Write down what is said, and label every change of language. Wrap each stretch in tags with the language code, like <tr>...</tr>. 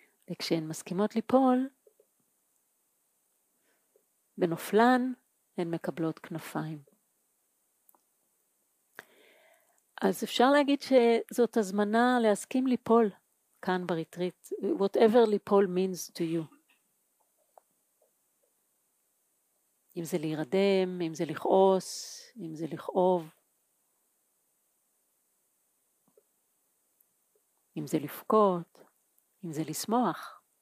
<he>וכשהן מסכימות ליפול, בנופלן הן מקבלות כנפיים. אז אפשר להגיד שזאת הזמנה להסכים ליפול כאן בריטריט.</he> <en>Whatever ליפול means to you.</en> <he>אם זה להירדם, אם זה לכעוס, אם זה לכאוב, אם זה לפקוט, אם זה לשמוח.</he>